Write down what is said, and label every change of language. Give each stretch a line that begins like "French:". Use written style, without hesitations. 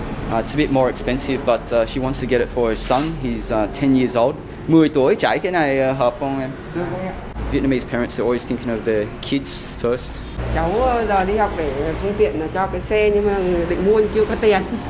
English: It's a bit more expensive, but she wants to get it for her son. He's 10 years old.
Vietnamese: 10 tuổi, chạy cái này hợp không em?
English: Vietnamese parents are always thinking of their kids first.
Vietnamese: Cháu giờ đi học để phương tiện cho cái xe, nhưng mà định mua chưa có tiền.